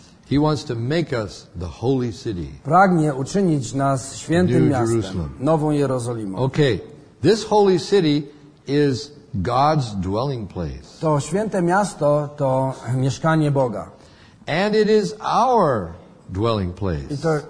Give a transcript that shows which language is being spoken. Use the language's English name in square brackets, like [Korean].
[English] He wants to make us the holy city. [Polish] Pragnie uczynić nas świętym miastem, nową Jerozolimą. [English] Okay, this holy city is God's dwelling place. [Polish] To święte miasto to mieszkanie Boga. [English] And it is our dwelling place.